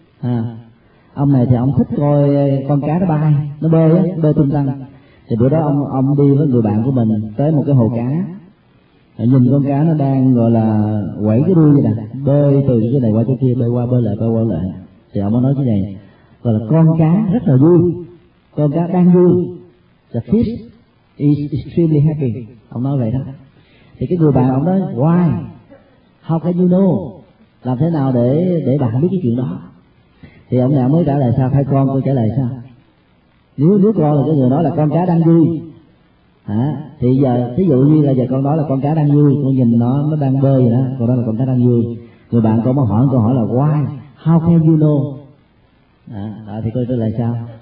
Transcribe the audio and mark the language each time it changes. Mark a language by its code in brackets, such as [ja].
[vi] À, ông này thì ông thích coi con cá nó bay, nó bơi á, bơi tung tăng. Thì bữa đó ông đi với người bạn của mình tới một cái hồ cá, nhìn con cá nó đang gọi là quẩy cái đuôi vậy nè, bơi từ cái này qua cái kia, bơi qua bơi lại, bơi qua lại. Thì ông mới nói cái này gọi là con cá rất là vui, con cá đang vui. [en] The fish is extremely happy. [vi] Ông nói vậy đó. Thì cái người bạn ông nói [en] why, how can you know, [vi] làm thế nào để bạn biết cái chuyện đó? Thì ông nào mới trả lời sao, hai con tôi trả lời sao, nếu con là cái người nói là con cá đang vui hả, thì giờ thí dụ như là giờ con nói là con cá đang vui, con nhìn nó đang bơi vậy đó, con nói là con cá đang vui, người bạn con mới hỏi câu hỏi là [en] why, how can you know, [vi] đó, thì coi tôi là sao.